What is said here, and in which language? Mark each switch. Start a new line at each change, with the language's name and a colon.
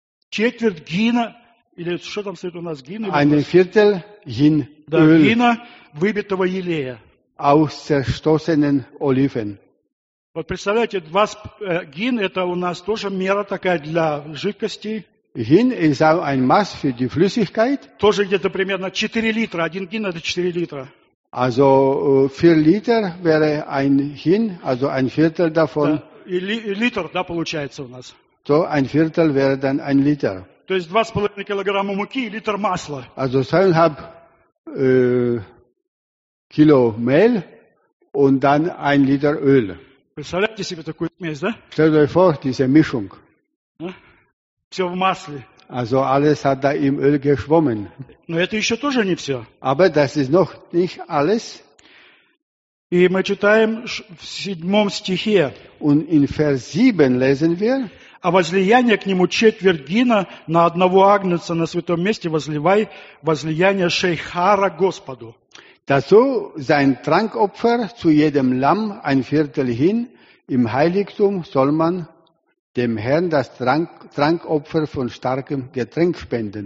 Russian: Четверть гина, или что там стоит у нас, гина?
German: Ein Viertel Hin
Russian: Да, гина выбитого елея.
German: Aus zerstoßenen Oliven.
Russian: Вот представляете, гин – это у нас тоже мера такая для жидкости. Гин – это
German: масс für die Flüssigkeit.
Russian: Тоже где-то примерно 4 литра. Один гин – это 4 литра.
German: Also 4 литр wäre ein Hin, also ein Viertel davon.
Russian: Да. И литр, да, получается у нас.
German: So ein Viertel wäre dann ein Liter.
Russian: То есть 2,5 килограмма муки и литр масла.
German: Also 2,5 Kilo Mehl und dann 1 Liter Öl.
Russian: Представляете себе такую смесь, да?
German: Stell dir vor, diese Mischung.
Russian: Все в масле.
German: Also alles hat da im Öl geschwommen.
Russian: Но это еще тоже не все.
German: Aber das ist noch nicht alles.
Russian: И мы читаем в 7 стихе.
German: Und in Vers 7 lesen wir.
Russian: А возлияние к нему четверть гина на одного агнца на святом месте возливай возлияние шейхара Господу.
German: Dazu sein Trankopfer zu jedem Lamm ein Viertel hin. Im Heiligtum soll man dem Herrn das Trankopfer von starkem Getränk spenden.